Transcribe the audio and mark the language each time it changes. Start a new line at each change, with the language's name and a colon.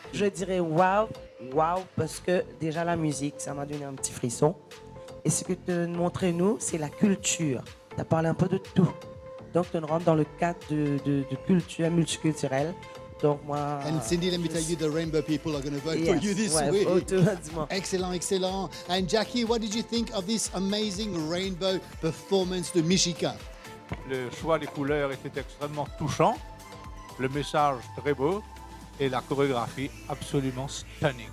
French: Je dirais wow, parce que déjà la musique, ça m'a donné un petit frisson. Et ce que tu montrais, nous, c'est la culture. Tu as parlé un peu de tout. Donc, tu rentres dans le cadre de culture multiculturelle. Donc, moi.
English: And Cindy, let me tell you, the Rainbow People are going to vote for you this week.
French: Automatiquement. Excellent, excellent.
English: And Jackie, what did you think of this amazing rainbow performance de Mishika?
French: Le choix des couleurs était extrêmement touchant. Le message très beau et la chorégraphie absolument stunning.